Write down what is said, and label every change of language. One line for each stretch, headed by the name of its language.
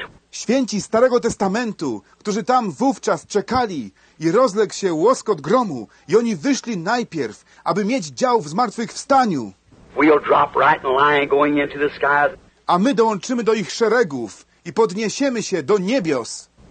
Polish: Święci Starego Testamentu, którzy tam wówczas czekali, i rozległ się łoskot gromu, i oni wyszli najpierw, aby mieć dział w zmartwychwstaniu.
English: We'll drop right in line going into the sky.
Polish: A my dołączymy do ich szeregów i podniesiemy się do niebios.